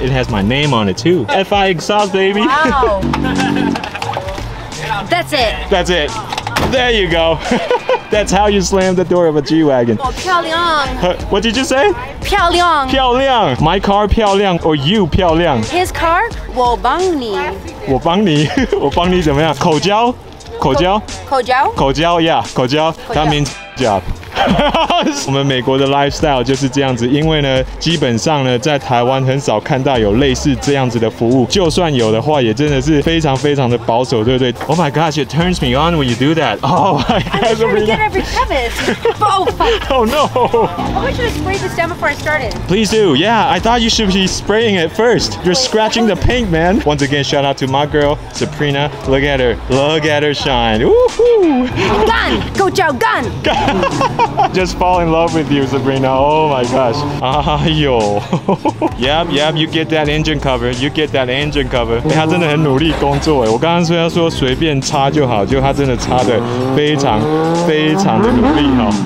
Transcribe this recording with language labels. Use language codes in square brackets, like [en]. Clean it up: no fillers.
[en] It has my name on it too. FI exhaust, baby. Wow. That's it. That's it. There you go. That's how you slam the door of a G-Wagon. Oh, 漂亮 What did you say? [zh] 漂亮 [en] 漂亮 My car 漂亮 or you 漂亮 His car? [zh] 我帮你我帮你我帮你怎么样口交口交口交 [en] 口交 yeah, 口交 That means job. [zh] 我们美国的 lifestyle 就是这样子，因为呢，基本上呢，在台湾很少看到有类似这样子的服务，就算有的话，也真的是非常非常的保守，对不对 ？ [en] Oh my gosh, it turns me on when you do that. Oh my gosh, I'm trying to get every crevice. Oh no. I want you to spray this down before I started. Please do. Yeah, I thought you should be spraying it first. You're scratching the paint, man. Once again, shout out to my girl, Sabrina. Look at her. Look at her shine. Woohoo! Gun! Go, Joe! Gun! Just fall in love with you, Sabrina. Oh my gosh. Ayo. Yep, you get that engine cover. You get that engine cover. [zh] 他真的很努力工作耶。我刚刚说随便擦就好，就他真的擦得非常非常的努力哦。